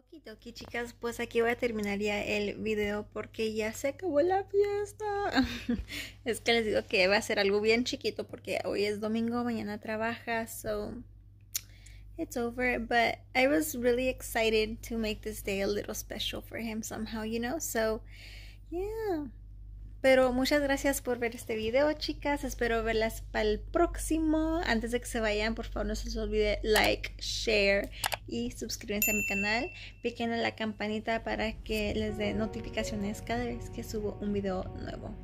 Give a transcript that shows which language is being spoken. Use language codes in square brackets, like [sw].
[es] Ok, chicas, pues aquí voy a terminar ya el video porque ya se acabó la fiesta. Es que les digo que va a ser algo bien chiquito porque hoy es domingo, mañana trabaja, [en] so it's over. But I was really excited to make this day a little special for him somehow, you know, so yeah. [es] Pero muchas gracias por ver este video, chicas. Espero verlas para el próximo. Antes de que se vayan, por favor, no se les olvide like, share y suscribirse a mi canal. Piquen en la campanita para que les dé notificaciones cada vez que subo un video nuevo.